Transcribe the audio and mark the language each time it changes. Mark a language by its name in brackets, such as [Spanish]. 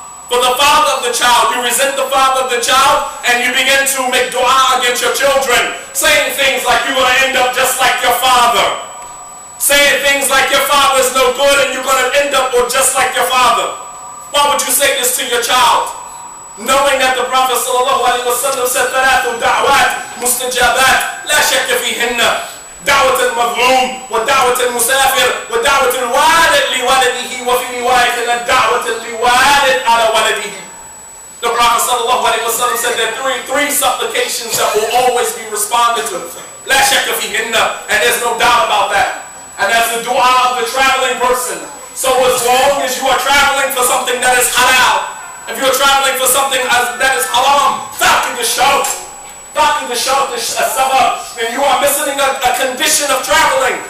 [English] For the father of the child, you resent the father of the child and you begin to make dua against your children, saying things like, you're going to end up just like your father. Saying things like, your father is no good and you're going to end up or just like your father. Why would you say this to your child? Knowing that the Prophet ﷺ said, [Arabic] ثَلَاثُ دَعْوَاتِ مُسْتَجَابَاتِ لَا شَكَّ فِيهِنَّ دَعْوَةِ الْمَظْلُومِ وَدَعْوَةِ الْمُسَافِرِ وَدَعْوَةِ الْوَالِدِ لِوَالِدِهِ وَفِي رِوَايَةٍ الدَّعْوَةِ لِوَالِدِ عَلَى وَالِدِهِ. [English] The Prophet ﷺ said there are three supplications that will always be responded to. [Arabic] لَا شَكَّ فِيهِنَّ, [English] and there's no doubt about that. And that's the dua of the traveling person. So as long as you are traveling for something that is halal, if you are traveling for something that is haram, [Arabic] فَاقِدِ الشَّوْتِ السَّبَبِ, [English] then you are missing a condition of traveling.